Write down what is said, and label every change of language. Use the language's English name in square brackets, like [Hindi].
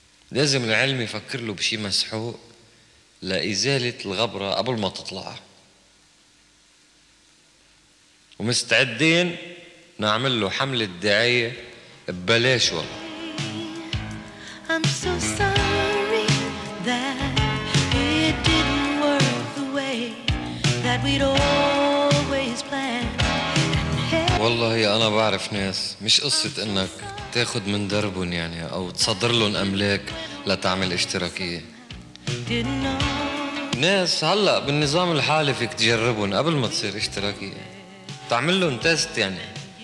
[Arabic] لازم العلم يفكر له بشي مسحوق لإزالة الغبرة قبل ما تطلع، ومستعدين نعمل له حملة دعاية ببلاش والله. [English] I'm so sorry that it didn't work the way that we'd always planned. [Arabic] والله يا أنا بعرف ناس مش قصة إنك تاخد من دربهم يعني أو تصدر لهم أملاك لتعمل اشتراكية. ناس هلأ بالنظام الحالي فيك تجربهم قبل ما تصير اشتراكية، تعمل لهم تيست يعني.